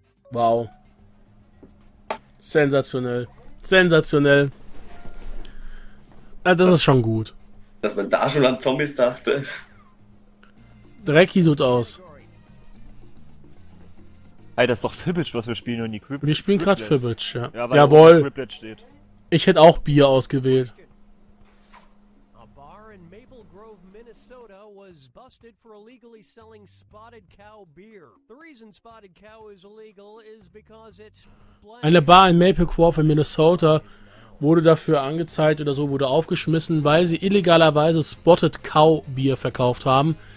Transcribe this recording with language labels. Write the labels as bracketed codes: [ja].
[de] Wow. Sensationell. Sensationell. Ja, das ist schon gut. Dass man da schon an Zombies dachte. Drecki sucht aus. Ey, das ist doch Fibbage, was wir spielen, und die Quibble. Wir spielen gerade Fibbage, ja. Ja, jawohl. Steht. Ich hätte auch Bier ausgewählt. [en] A bar in Maple Grove, Minnesota was busted for illegally selling Spotted Cow beer. The reason Spotted Cow is illegal is because it's black. [de] Eine Bar in Maple Grove in Minnesota wurde dafür angezeigt oder so, wurde aufgeschmissen, weil sie illegalerweise Spotted Cow Bier verkauft haben.